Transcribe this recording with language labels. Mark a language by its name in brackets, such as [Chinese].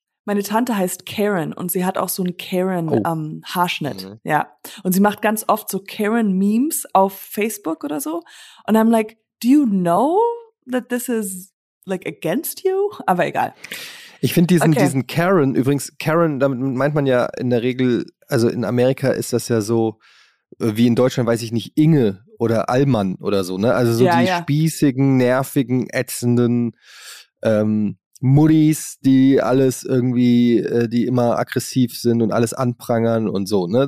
[German] Meine Tante heißt Karen und sie hat auch so einen Karen-Haarschnitt. Ja. Und sie macht ganz oft so Karen-Memes auf Facebook oder so. Und [English] I'm like, do you know that this is like against you? [German] Aber egal. Ich finde diesen Karen, übrigens Karen, damit meint man ja in der Regel, also in Amerika ist das ja so, wie in Deutschland, weiß ich nicht, Inge oder Allmann oder so, ne? Also so ja, die ja. spießigen, nervigen, ätzenden Muddis, die alles irgendwie, die immer aggressiv sind und alles anprangern und so, ne?